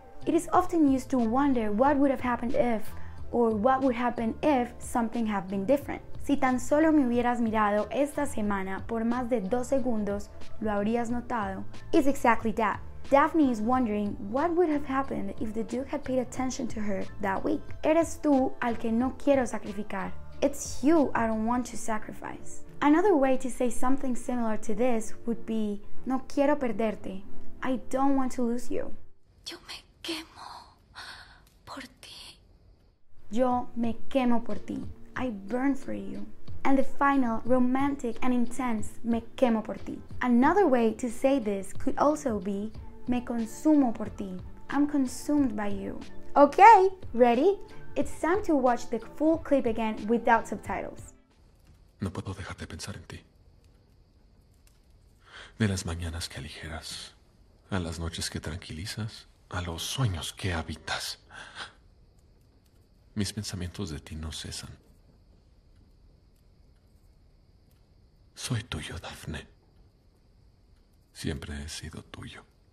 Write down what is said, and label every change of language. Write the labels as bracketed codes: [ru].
[en] It is often used to wonder what would have happened if, or what would happen if something had been different. [es] Si tan solo me hubieras mirado esta semana por más de 2 segundos, lo habrías notado. [en] It's exactly that. Daphne is wondering what would have happened if the Duke had paid attention to her that week. [es] Eres tú al que no quiero sacrificar. [en] It's you I don't want to sacrifice. Another way to say something similar to this would be [es] no quiero perderte. [en] I don't want to lose you. [es] Yo me quemo por ti. Yo me quemo por ti. [en] I burn for you. And the final, romantic and intense, [es] me quemo por ti. [en] Another way to say this could also be [es] me consumo por ti. [en] I'm consumed by you. Okay, ready? It's time to watch the full clip again without subtitles. [es] No puedo dejar de pensar en ti. De las mañanas que aligeras, a las noches que tranquilizas, a los sueños que habitas. Mis pensamientos de ti no cesan. Soy tuyo, Daphne. Siempre he sido tuyo.